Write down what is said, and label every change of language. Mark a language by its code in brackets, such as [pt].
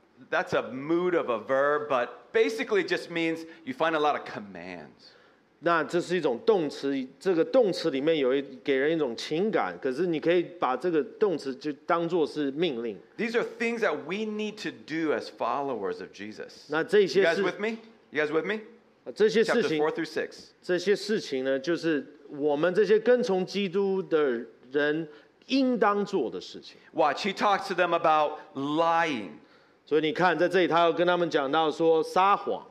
[en] That's a mood of a verb, but basically just means you find a lot of commands. [zh] 那这是一种动词，这个动词里面给人一种情感，可是你可以把这个动词就当作是命令。 [en] These are things that we need to do as followers of Jesus. [zh] 那这些是。 [en] You guys with me? You guys with me? [zh] 这些事情。 [en] Chapter 4 through 6. [zh] 这些事情呢，就是我们这些跟从基督的人。应当做的事情。 [en] Watch, he talks to them about lying. [zh] 所以你看，在这里他要跟他们讲到说撒谎